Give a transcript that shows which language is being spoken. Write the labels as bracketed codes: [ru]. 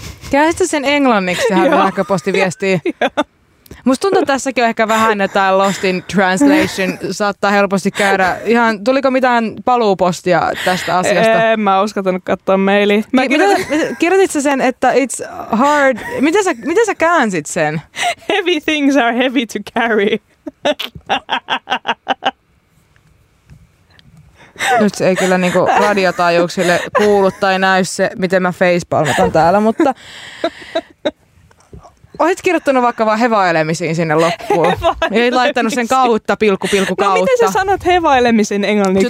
[fi] Käsitä sen englanniksi tähän sähköpostiviestiin. Musta tuntuu, että tässäkin on ehkä vähän jotain [en] lost in translation. [fi] Saattaa helposti käydä. Ihan, tuliko mitään paluupostia tästä asiasta? En mä uskaltanut katsoa maili. Kirjoititko sen, että [en] it's hard? [fi] Miten sä käänsit sen? [en] Heavy things are heavy to carry. [fi] Nyt se ei kyllä niinku radiotaajuuksille kuulu tai näy se, miten mä facepalmatan täällä, mutta... Olet kirjoittanut vaikka vaan hevailemisiin sinne loppuun. Ei laittanut sen kautta, pilkku kautta. No miten sä sanot hevailemisin englanniksi?